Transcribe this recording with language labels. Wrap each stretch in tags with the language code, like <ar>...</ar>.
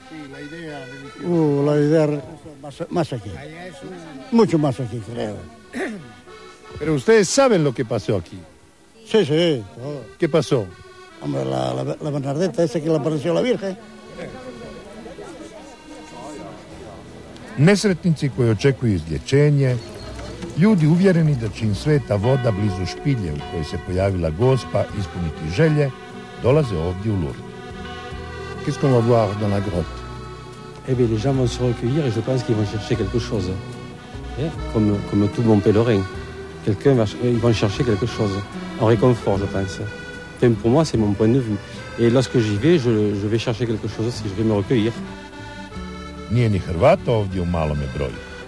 <es>Sí, la idea. La idea más aquí. Allá es un... Mucho más aquí, creo. Pero ustedes saben lo que pasó aquí. Sí, sí. Todo. ¿Qué pasó? Hombre, la Bernardeta, esa que le apareció la Virgen.</es> <hr>Nesretnici koji očekuju izlječenje, ljudi uvjereni da će im sveta voda blizu špilje u kojoj se pojavila gospa ispuniti želje, dolaze ovdje u Lourdes.</hr> <fr>Qu'est-ce qu'on va voir dans la grotte? Eh bien, les gens vont se recueillir et je pense qu'ils vont chercher quelque chose. Comme tout bon pèlerin. Ils vont chercher quelque chose. Un réconfort, je pense. Enfin, pour moi, c'est mon point de vue. Et lorsque j'y vais, je vais chercher quelque chose si je vais me recueillir.</fr> <hr>Nije ni Hrvata ovdje u malome broju.</hr>